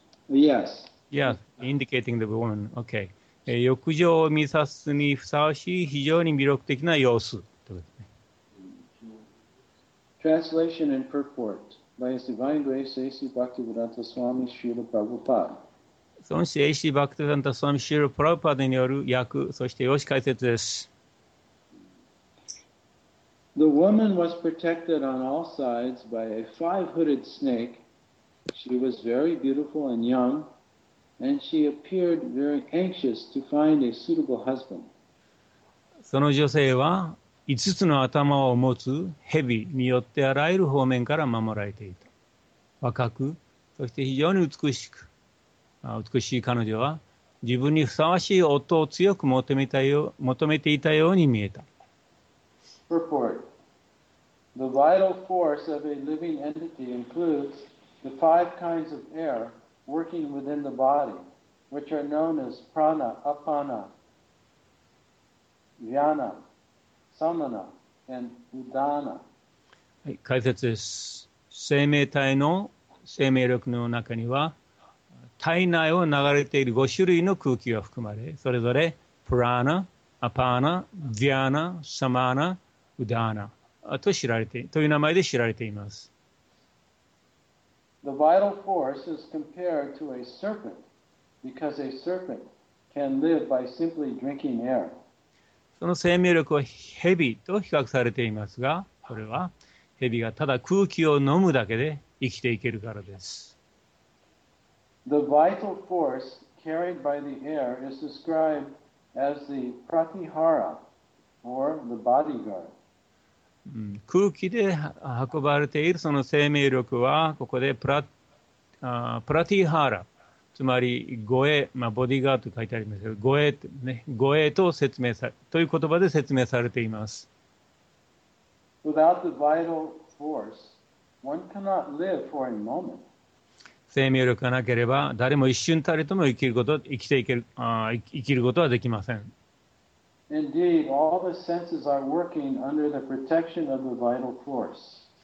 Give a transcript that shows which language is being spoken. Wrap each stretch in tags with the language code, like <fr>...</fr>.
<en>Yes. Yeah, indicating the woman. Okay.</en> <ja>欲情を満たすにふさわしい非常に魅力的な様子。</ja> <en>Translation and purport by His Divine Grace A.C. Bhaktivedanta Swami Srila Prabhupada.</en> <ja>孫子 A.C. バクトゥアンタ・スワミ・シール・プラウパーデによる訳、そして用紙解説です。</ja> <en>The woman was protected on all sides by a five-hooded snake. She was very beautiful and young, and she appeared very anxious to find a suitable husband.</en> <ja>その女性は5つの頭を持つ蛇によってあらゆる方面から守られていた。若く、そして非常に美しく。美しい彼女は自分にふさわしい夫を強く求めていたように見えた。</ja> <en>Purport. The vital force of a living entity includes the five kinds of air working within the body, which are known as prana, apana, vyana, samana, and udana.</en> <ja>はい、解説です。生命体の生命力の中には体内を流れている5種類の空気が含まれ、それぞれプラーナ、アパーナ、ディアナ、サマーナ、ウダーナと知られて、という名前で知られています。</ja> <en>The vital force is compared to a serpent because a serpent can live by simply drinking air.</en> <ja>その生命力は蛇と比較されていますが、これは蛇がただ空気を飲むだけで生きていけるからです。</ja> <en>The vital force carried by the air is described as the pratihara, or the bodyguard.</en> <ja>空気で運ばれているその生命力は、ここでプラティハラ、つまり護衛、まあ、ボディガードと書いてありますけど、護衛、ね、護衛と説明さ、という言葉で説明されています。</ja> <en>Without the vital force, one cannot live for a moment.</en> <ja>生命力がなければ誰も一瞬たりとも生きることはできません。</ja> <en>Indeed, all the senses are working under the protection of the vital force.</en>